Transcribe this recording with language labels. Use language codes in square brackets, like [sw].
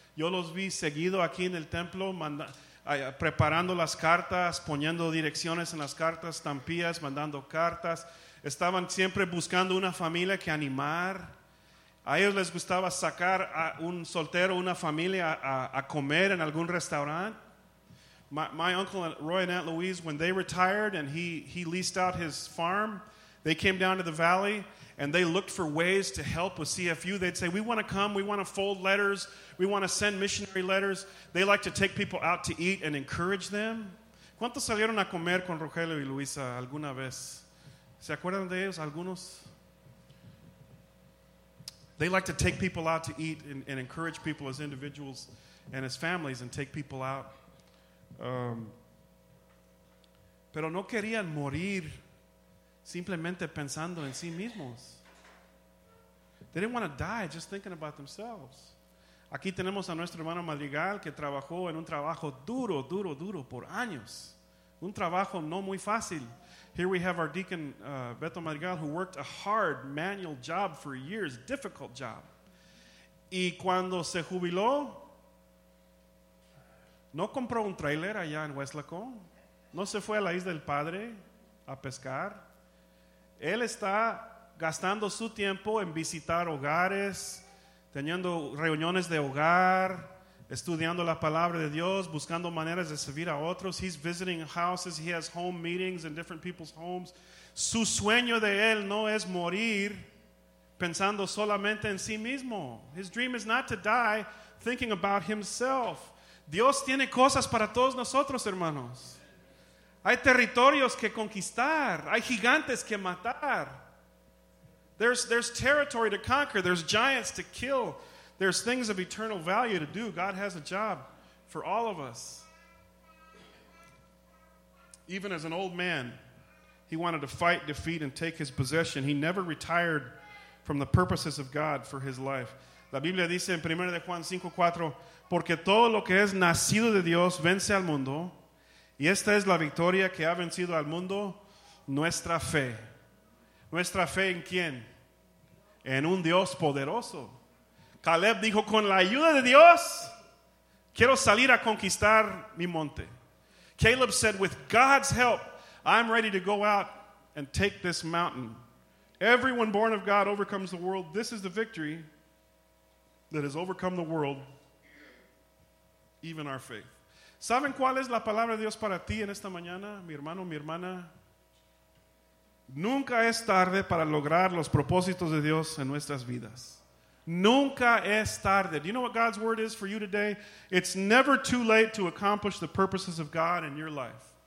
[es] Yo los vi seguido aquí en el templo preparando las cartas, poniendo direcciones en las cartas, estampillas, mandando cartas. Estaban siempre buscando una familia que animar. A ellos les gustaba sacar a un soltero, una familia, a comer en algún restaurante. [en] My uncle Roy and Aunt Louise, when they retired and he leased out his farm, they came down to the valley and they looked for ways to help with CFU. They'd say, we want to come, we want to fold letters, we want to send missionary letters. They like to take people out to eat and encourage them. [es] ¿Cuántos salieron a comer con Rogelio y Luisa alguna vez? ¿Se acuerdan de ellos? ¿Algunos? [en] They like to take people out to eat and encourage people as individuals and as families and take people out. [es] Pero no querían morir simplemente pensando en sí mismos. [en] They didn't want to die just thinking about themselves. [es] Aquí tenemos a nuestro hermano Madrigal que trabajó en un trabajo duro, duro, duro por años. Un trabajo no muy fácil. [en] Here we have our deacon, Beto Madrigal, who worked a hard manual job for years, difficult job. [es] Y cuando se jubiló, no compró un trailer allá en Huéslaco. No se fue a la Isla del Padre a pescar. Él está gastando su tiempo en visitar hogares, teniendo reuniones de hogar, estudiando la palabra de Dios, buscando maneras de servir a otros. [en] He's visiting houses. He has home meetings in different people's homes. [es] Su sueño de él no es morir pensando solamente en sí mismo. [en] His dream is not to die thinking about himself. [es] Dios tiene cosas para todos nosotros, hermanos. Hay territorios que conquistar. Hay gigantes que matar. [en] There's territory to conquer. There's giants to kill. There's things of eternal value to do. God has a job for all of us. Even as an old man, he wanted to fight defeat and take his possession. He never retired from the purposes of God for his life. [es] La Biblia dice en 1 Juan 5, 4, porque todo lo que es nacido de Dios vence al mundo, y esta es la victoria que ha vencido al mundo, nuestra fe. ¿Nuestra fe en quién? En un Dios poderoso. Caleb dijo, con la ayuda de Dios, quiero salir a conquistar mi monte. [en] Caleb said, with God's help, I'm ready to go out and take this mountain. Everyone born of God overcomes the world. This is the victory that has overcome the world, even our faith. [es] ¿Saben cuál es la palabra de Dios para ti en esta mañana, mi hermano, mi hermana? Nunca es tarde para lograr los propósitos de Dios en nuestras vidas. Nunca es tarde. [en] Do you know what God's word is for you today? It's never too late to accomplish the purposes of God in your life.